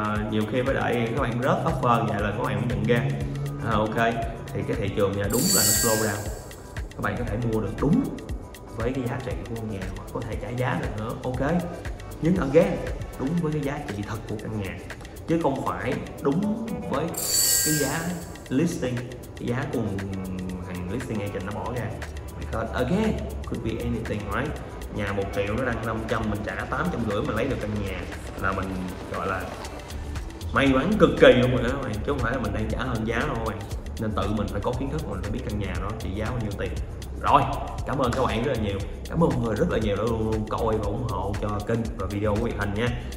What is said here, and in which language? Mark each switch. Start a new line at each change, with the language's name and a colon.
Vietnamese: Nhiều khi mới đợi các bạn rớt offer vậy là các bạn cũng nhận ra ok, thì cái thị trường nhà đúng là nó slow down, các bạn có thể mua được đúng với cái giá trị của nhà hoặc có thể trả giá được nữa, ok. Nhưng again, đúng với cái giá trị thật của căn nhà chứ không phải đúng với cái giá listing, cái giá của thằng listing agent nó bỏ ra.
English: Because again, could be anything, right?
Vietnamese: Nhà 1 triệu nó đang 500, mình trả 850 mình lấy được căn nhà là mình gọi là may mắn cực kỳ luôn rồi đó các bạn, chứ không phải là mình đang trả hơn giá đâu các bạn. Nên tự mình phải có kiến thức, mình phải biết căn nhà đó trị giá bao nhiêu tiền. Rồi, cảm ơn các bạn rất là nhiều, cảm ơn mọi người rất là nhiều đã luôn coi và ủng hộ cho kênh và video của Việt Thành nha.